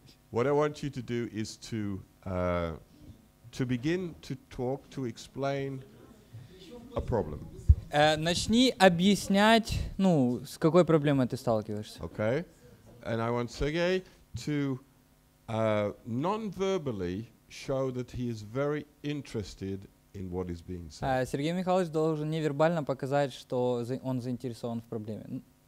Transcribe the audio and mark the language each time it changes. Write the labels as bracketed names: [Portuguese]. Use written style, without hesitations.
[English] What I want you to do is to begin to talk, to explain a problem. [Russian] Начни объяснять, ну, с какой проблемой ты сталкиваешься. [English] Okay. And I want Sergey to non-verbally show that he is very interested in what is being said. [Russian] Сергей Михайлович должен невербально показать, что он заинтересован в проблеме.